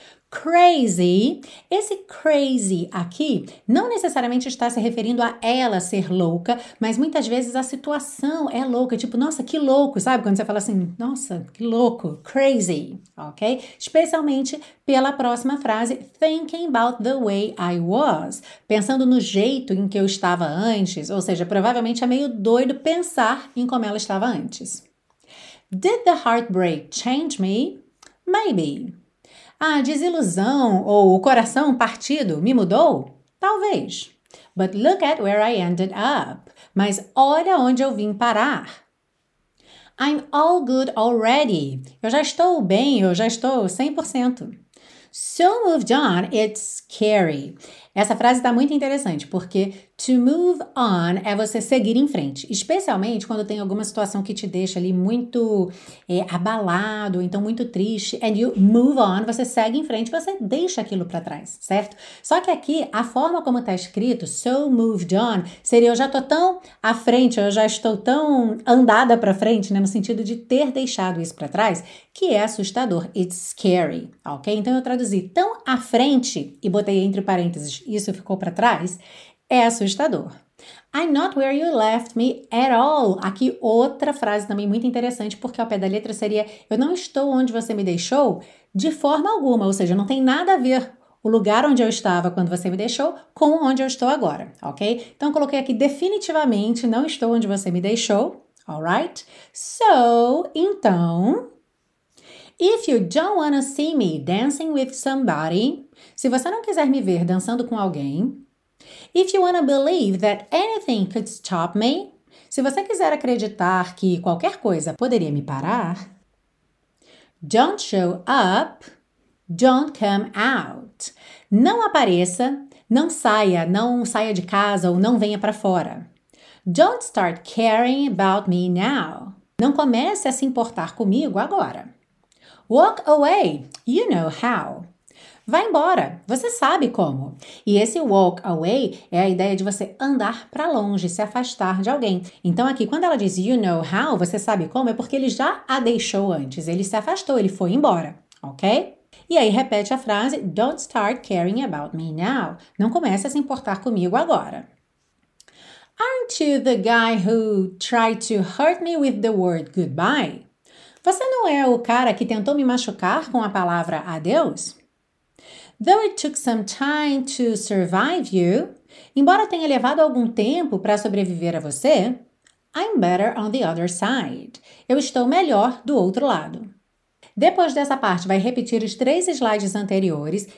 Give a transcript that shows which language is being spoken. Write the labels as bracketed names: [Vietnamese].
[Portuguese] Crazy, esse crazy aqui não necessariamente está se referindo a ela ser louca, mas muitas vezes a situação é louca, tipo, nossa, que louco, sabe? Quando você fala assim, nossa, que louco, crazy, ok? Especialmente pela próxima frase, [English] thinking about the way I was, [Portuguese] pensando no jeito em que eu estava antes, ou seja, provavelmente é meio doido pensar em como ela estava antes. [English] Did the heartbreak change me? Maybe. [Portuguese] A desilusão ou o coração partido me mudou? Talvez. [English] But look at where I ended up. [Portuguese] Mas olha onde eu vim parar. [English] I'm all good already. [Portuguese] Eu já estou bem, eu já estou 100%. [English] So moved on, it's scary. [Portuguese] Essa frase está muito interessante, porque to move on é você seguir em frente, especialmente quando tem alguma situação que te deixa ali muito abalado, ou então muito triste, [English] and you move on, [Portuguese] você segue em frente, você deixa aquilo para trás, certo? Só que aqui, a forma como está escrito, so moved on, seria eu já estou tão à frente, eu já estou tão andada para frente, né, no sentido de ter deixado isso para trás, que é assustador, [English] it's scary, [Portuguese] ok? Então eu traduzi tão à frente, e botei entre parênteses, isso ficou para trás, é assustador. [English] I'm not where you left me at all. [Portuguese] Aqui outra frase também muito interessante, porque ao pé da letra seria eu não estou onde você me deixou de forma alguma, ou seja, não tem nada a ver o lugar onde eu estava quando você me deixou com onde eu estou agora, ok? Então eu coloquei aqui definitivamente não estou onde você me deixou, alright? [English] So, então, if you don't wanna see me dancing with somebody, [Portuguese] Se você não quiser me ver dançando com alguém. [English] If you wanna believe that anything could stop me. [Portuguese] Se você quiser acreditar que qualquer coisa poderia me parar. [English] Don't show up. Don't come out. [Portuguese] Não apareça. Não saia. Não saia de casa ou não venha para fora. [English] Don't start caring about me now. [Portuguese] Não comece a se importar comigo agora. [English] Walk away. You know how. [Portuguese] Vai embora. Você sabe como. E esse walk away é a ideia de você andar para longe, se afastar de alguém. Então aqui, quando ela diz [English] you know how, [Portuguese] você sabe como, é porque ele já a deixou antes. Ele se afastou, ele foi embora. Ok? E aí repete a frase, [English] don't start caring about me now. [Portuguese] Não comece a se importar comigo agora. [English] Aren't you the guy who tried to hurt me with the word goodbye? [Portuguese] Você não é o cara que tentou me machucar com a palavra adeus? [English] Though it took some time to survive you, [Portuguese] embora tenha levado algum tempo para sobreviver a você, [English] I'm better on the other side. [Portuguese] Eu estou melhor do outro lado. Depois dessa parte, vai repetir os três slides anteriores.